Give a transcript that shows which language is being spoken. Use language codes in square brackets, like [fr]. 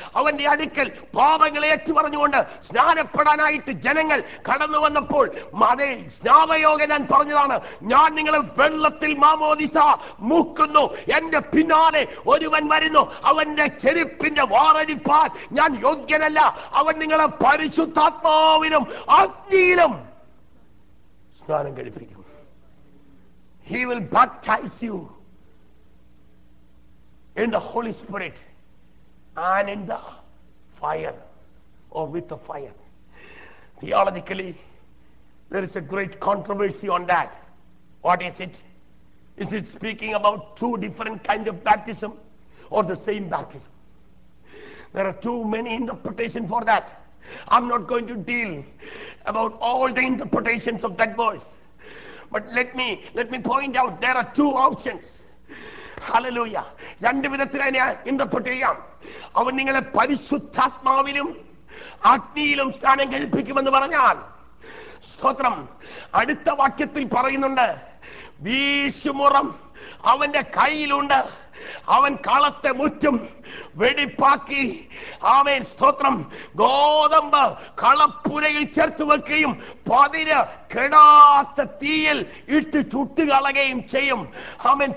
[ml] അവന്റെ അടുക്കൽ പാപങ്ങളെ ഏറ്റുപറഞ്ഞുകൊണ്ട് സ്നാനപ്പെടാനായിട്ട് ജനങ്ങൾ കടന്നു വന്നപ്പോൾ അതേ സ്നാവയോഗ ഞാൻ പറഞ്ഞതാണ്, ഞാൻ നിങ്ങളെ വെള്ളത്തിൽ മാമോദിസ മൂക്കുന്നു, എന്റെ പിന്നാലെ ഒരുവൻ വരുന്നു, അവന്റെ ചെരുപ്പിന്റെ വാറടിപ്പാൻ ഞാൻ യോഗ്യനല്ല, അവൻ നിങ്ങളെ പരിശുദ്ധാത്മാവിനും അഗ്നിയിലും സ്നാനം കഴിപ്പിക്കും. [en] He will baptize you in the Holy Spirit and in the fire or with the fire. Theologically, there is a great controversy on that. What is it? Is it speaking about two different kinds of baptism or the same baptism? There are too many interpretations for that. I'm not going to deal about all the interpretations of that verse, but let me point out there are two options. Hallelujah. [ml] രണ്ട് വിധത്തിലാണ് interpret ചെയ്യാം. അവൻ നിങ്ങളെ പരിശുദ്ധാത്മാവിലും അഗ്നിയിലും സ്നാനം കഴിപ്പിക്കുമെന്ന് പറഞ്ഞാൽ, സ്തോത്രം, അടുത്ത വാക്യത്തിൽ പറയുന്നുണ്ട് വീശുമുറം അവന്റെ കയ്യിലുണ്ട്, അവൻ കളത്തെ മുറ്റും വെടിപ്പാക്കി, ആമേൻ, സ്തോത്രം, ഗോതമ്പ് കളപ്പുരയിൽ ചേർത്ത് വെക്കുകയും പതിര് കെടാത്ത തീയിൽ ഇട്ട് ചുട്ടുകളയുകയും ചെയ്യും. ആമേൻ.